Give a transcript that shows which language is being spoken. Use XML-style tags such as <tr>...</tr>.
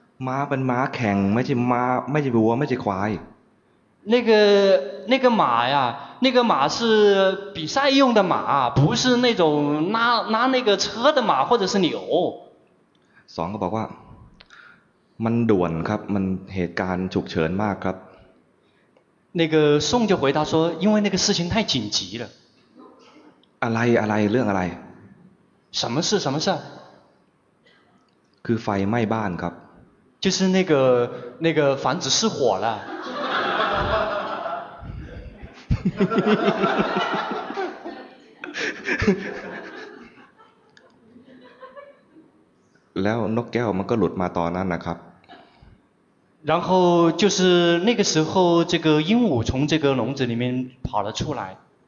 <th>ม้าเป็นม้าแข่งไม่ใช่ม้าไม่ใช่วัวไม่ใช่ควาย</th> <zh>那个马呀那个马是比赛用的马不是那种拉那个车的马或者是牛</zh> <th>สองก็บอกว่ามันด่วนครับมันเหตุการณ์ฉุกเฉินมากครับ</th> <zh>那个宋就回答说因为那个事情太紧急了</zh> <th>อะไรอะไรเรื่องอะไร</th> <zh>什么事</zh> <th>คือไฟไหม้บ้านครับ</th> <zh>就是那个房子失火了</zh> <th>แล้วนกแก้วมันก็หลุดมาตอนนั้นนะครับ</th> <zh>然后就是那个时候这个鹦鹉从这个笼子里面跑了出来</zh>